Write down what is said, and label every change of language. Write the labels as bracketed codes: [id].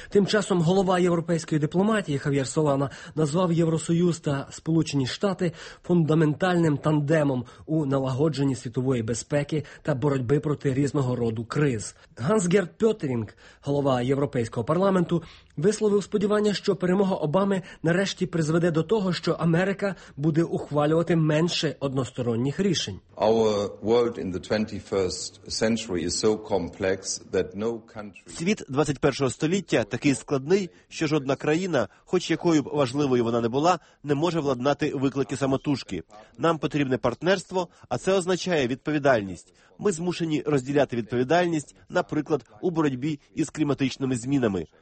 [uk] Тим часом голова європейської дипломатії Хав'єр Солана назвав Євросоюз та Сполучені Штати фундаментальним тандемом у налагодженні світової безпеки та боротьби проти різного роду криз. Ганс-Герт Пьотерінг, голова Європейського парламенту, висловив сподівання, що перемога Обами нарешті призведе до того, що Америка буде ухвалювати менше односторонніх рішень. [en] Our world in the 21st century is so complex that no country. [uk] Світ 21-го століття такий складний, що жодна країна, хоч якою б важливою вона не була, не може владнати виклики самотужки. Нам потрібне партнерство, а це означає відповідальність. Ми змушені розділяти відповідальність, наприклад, у боротьбі із кліматичними змінами.